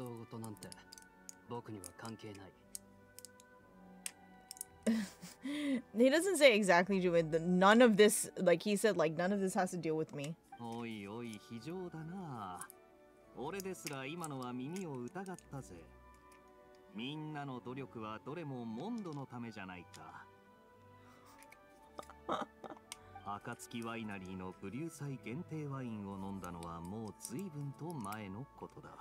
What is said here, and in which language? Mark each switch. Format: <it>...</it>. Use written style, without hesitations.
<ja>騎士団の面倒事なんて僕には関係ない。</ja> <en>He doesn't say exactly, Juwin. None of this, like he said, like none of this has to deal with me.</en> <ja>Oi, 非常だな. 俺ですら今のは耳を疑ったぜ。みんなの努力はどれもモンドのためじゃないか。暁ワイナリーのブリューサイ限定ワインを飲んだのはもう随分と前のことだ。</ja>